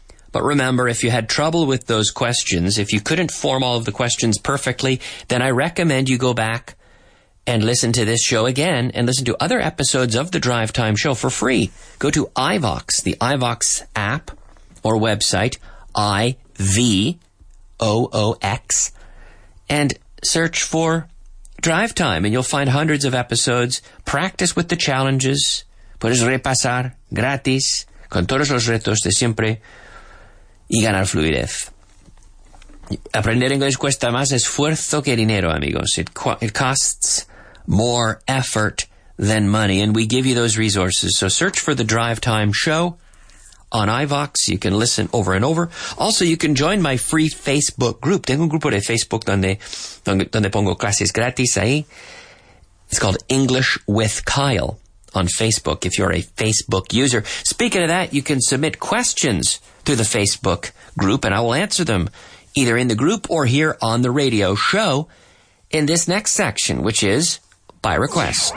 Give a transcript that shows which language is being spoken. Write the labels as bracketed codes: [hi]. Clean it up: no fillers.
[en] But remember, if you had trouble with those questions, if you couldn't form all of the questions perfectly, then I recommend you go back and listen to this show again and listen to other episodes of the Drive Time Show for free. Go to iVox, the iVox app or website, iVOOX, and search for Drive Time and you'll find hundreds of episodes. Practice with the challenges. [es] Puedes repasar gratis con todos los retos de siempre y ganar fluidez. Aprender inglés cuesta más esfuerzo que dinero, amigos. [en] It costs more effort than money. And we give you those resources. So search for the Drive Time Show on iVox. You can listen over and over. Also, you can join my free Facebook group. [es] Tengo un grupo de Facebook donde pongo clases gratis ahí. [en] It's called English with Kyle on Facebook if you're a Facebook user. Speaking of that, you can submit questions through the Facebook group and I will answer them either in the group or here on the radio show in this next section, which is By Request.